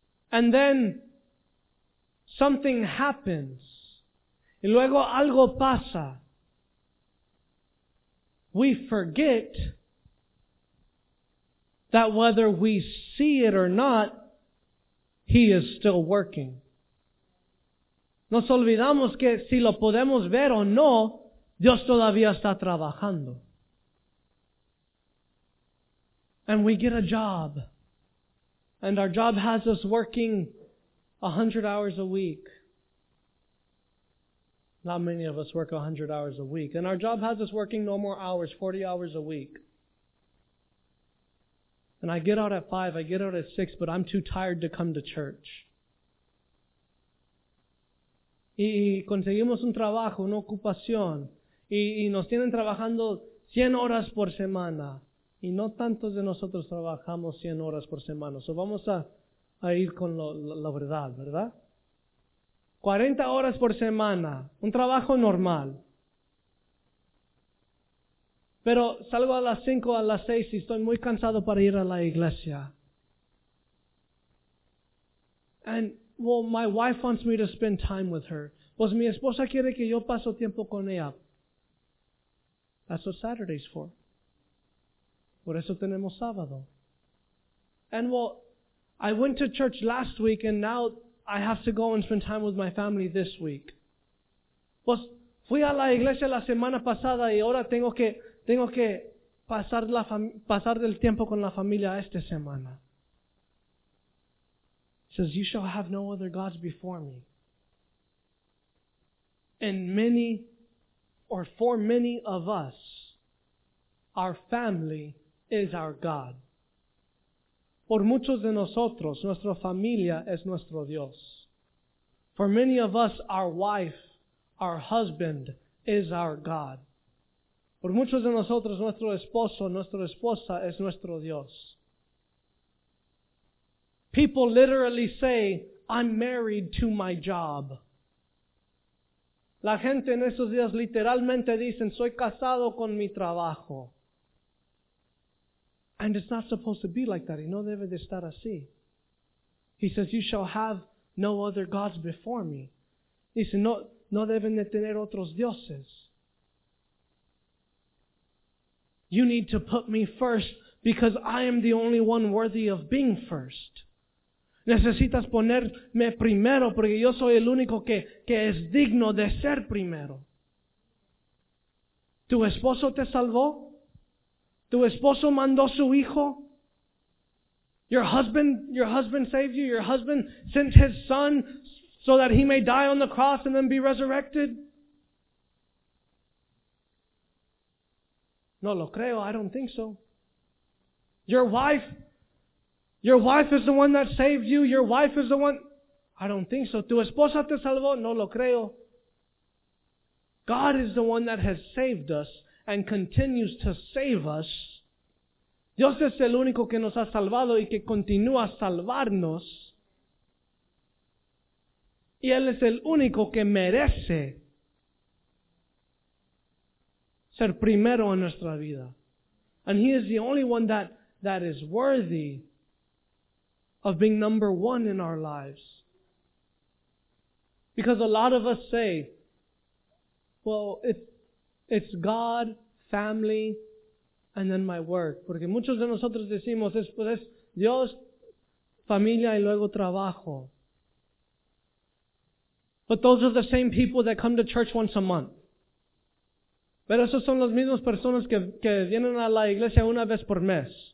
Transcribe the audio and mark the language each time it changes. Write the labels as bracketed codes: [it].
[en] And then something happens. [es] Y luego algo pasa. [en] We forget that whether we see it or not, he is still working. [es] Nos olvidamos que si lo podemos ver o no, Dios todavía está trabajando. [en] And we get a job. And our job has us working 100 hours a week. Not many of us work 100 hours a week. And our job has us working no more hours, 40 hours a week. And I get out at 5, I get out at 6, but I'm too tired to come to church. [es] Y conseguimos un trabajo, una ocupación. Y nos tienen trabajando 100 horas por semana. Y no tantos de nosotros trabajamos 100 horas por semana. So vamos a ir con la verdad, ¿verdad? 40 horas por semana, un trabajo normal. Pero salgo a las 5, a las 6 y estoy muy cansado para ir a la iglesia. [en] And, well, my wife wants me to spend time with her. [es] Pues mi esposa quiere que yo paso tiempo con ella. [en] That's what Saturday's for. [es] Por eso tenemos sábado. [en] And, well, I went to church last week and now I have to go and spend time with my family this week. [es] Pues fui a la iglesia la semana pasada y ahora tengo que pasar del tiempo con la familia esta semana. [en] He says, you shall have no other gods before me. And many, or for many of us, our family is our God. [es] Por muchos de nosotros, nuestra familia es nuestro Dios. [en] For many of us, our wife, our husband, is our God. [es] Por muchos de nosotros, nuestro esposo, nuestra esposa, es nuestro Dios. [en] People literally say, I'm married to my job. [es] La gente en esos días literalmente dicen, soy casado con mi trabajo. [en] And it's not supposed to be like that. [es] Y no debe de estar así. [en] He says, you shall have no other gods before me. [es] Dice, no deben de tener otros dioses. [en] You need to put me first because I am the only one worthy of being first. [es] Necesitas ponerme primero porque yo soy el único que es digno de ser primero. ¿Tu esposo te salvó? ¿Tu esposo mandó su hijo? [en] Your husband saved you? Your husband sent his son so that he may die on the cross and then be resurrected? [es] No lo creo, [en] I don't think so. Your wife is the one that saved you. Your wife is the one. I don't think so. [es] Tu esposa te salvó. No lo creo. [en] God is the one that has saved us and continues to save us. [es] Dios es el único que nos ha salvado y que continúa salvarnos. Y Él es el único que merece ser primero en nuestra vida. [en] And He is the only one that is worthy of being number one in our lives. Because a lot of us say, well, it's God, family, and then my work. [es] Porque muchos de nosotros decimos, pues es Dios, familia, y luego trabajo. [en] But those are the same people that come to church once a month. [es] Pero esos son los mismos personas que vienen a la iglesia una vez por mes.